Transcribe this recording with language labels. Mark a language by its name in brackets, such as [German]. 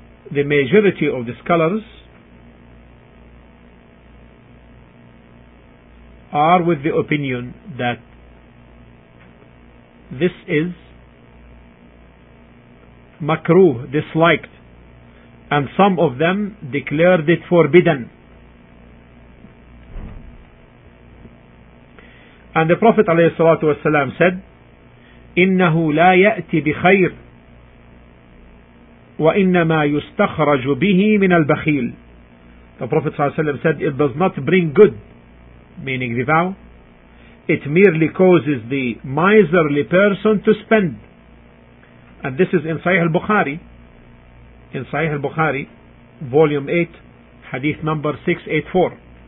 [English] The majority of the scholars are with the opinion that this is makruh, disliked, and some of them declared it forbidden. And the Prophet [Arabic] عليه الصلاة والسلام said, إنه لا يأتي بخير وإنما يستخرج به من البخيل. [English] The Prophet [Arabic] صلى الله عليه وسلم [English] said, it does not bring good, meaning the vow. It merely causes the miserly person to spend. And this is in Sahih al-Bukhari. In Sahih al-Bukhari, volume 8, hadith number 684.